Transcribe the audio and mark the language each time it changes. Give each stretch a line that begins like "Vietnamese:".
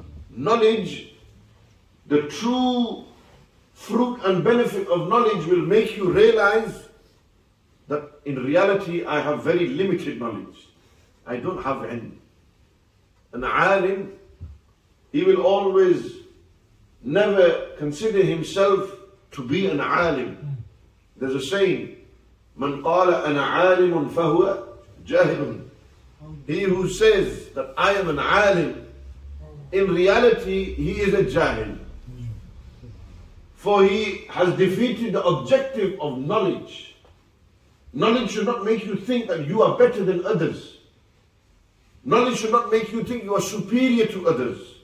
English: Knowledge, the true fruit and benefit of knowledge will make you realize that in reality I have very limited knowledge. I don't have any. An alim, he will always never consider himself to be an alim. There's a saying,
Arabic: من قال أنا عالم فهو جاهل.
English: He who says that I am an alim, in reality he is a jahil. For he has defeated the objective of knowledge. Knowledge should not make you think that you are better than others. Knowledge should not make you think you are superior to others.